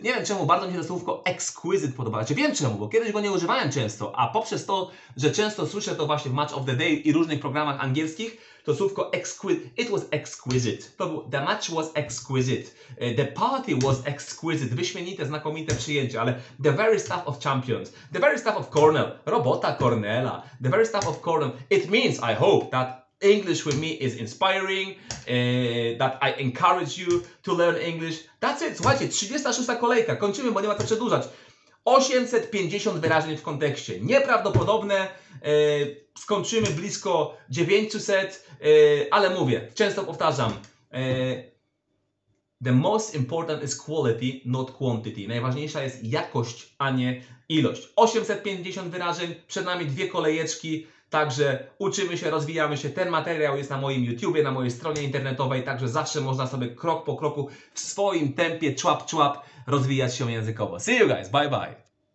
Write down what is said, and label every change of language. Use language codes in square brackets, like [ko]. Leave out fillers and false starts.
[pl] Nie wiem czemu, bardzo mi się to słówko exquisite podoba. Znaczy wiem czemu, bo kiedyś go nie używałem często, a poprzez to, że często słyszę to właśnie w Match of the Day i różnych programach angielskich, to słówko exquisite. [en] It was exquisite. The match was exquisite. The party was exquisite. [pl] Wyśmienite, znakomite przyjęcie, ale [en] the very stuff of champions. The very stuff of Cornell. [pl] Robota Cornella. [en] The very stuff of Cornell. It means, I hope, that English with me is inspiring, that I encourage you to learn English. That's it. [pl] Słuchajcie, 36. kolejka. Kończymy, bo nie ma co przedłużać. 850 wyrażeń w kontekście. Nieprawdopodobne. Skończymy blisko 900, ale mówię, często powtarzam. [en] The most important is quality, not quantity. [pl] Najważniejsza jest jakość, a nie ilość. 850 wyrażeń, przed nami dwie kolejeczki. Także uczymy się, rozwijamy się. Ten materiał jest na moim YouTubie, na mojej stronie internetowej. Także zawsze można sobie krok po kroku w swoim tempie, człap, człap, rozwijać się językowo. [en] See you guys, bye bye.